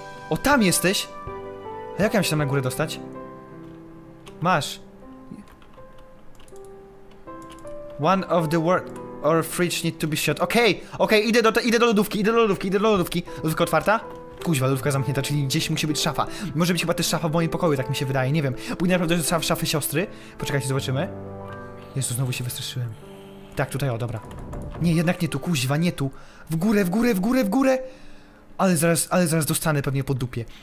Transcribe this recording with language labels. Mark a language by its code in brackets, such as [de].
[pl] O, tam jesteś? A jak ja mam się tam na górę dostać? Masz. [en] One of the world or fridge need to be shut. [pl] Okej, idę do lodówki. Lodówka otwarta? Kuźwa, lodówka zamknięta, czyli gdzieś musi być szafa. Może być chyba też szafa w moim pokoju, tak mi się wydaje, nie wiem. Pójdę naprawdę do szafy siostry. Poczekajcie, zobaczymy. Jezu, znowu się wystraszyłem. Tak, tutaj, o, dobra. Nie, jednak nie tu, kuźwa, nie tu. W górę. Ale zaraz dostanę pewnie po dupie.